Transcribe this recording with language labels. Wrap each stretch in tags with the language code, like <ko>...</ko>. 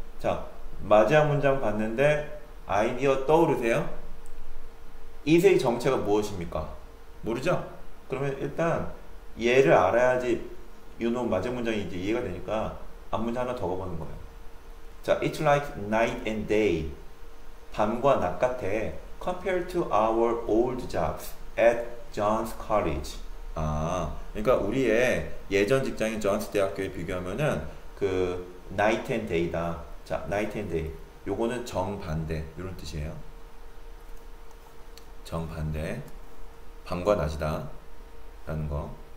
<ko>자, 마지막 문장 봤는데 아이디어 떠오르세요? 이세의 정체가 무엇입니까? 모르죠? 그러면 일단 얘를 알아야지 요놈 마지막 문장이 이제 이해가 되니까 앞 문장 하나 더 가보는 거예요. 자,</ko> <en>it's like night and day.</en> <ko>밤과 낮 같아.</ko> <en>Compared to our old jobs at John's College.</en> <ko>그러니까 우리의 예전 직장인 존스 대학교에 비교하면은 그</ko> <en>night and day</en> <ko>다. 자,</ko> <en>night and day.</en> <ko>요거는 정반대. 요런 뜻이에요. 정반대. 밤과 낮이다. 라는 거.</ko>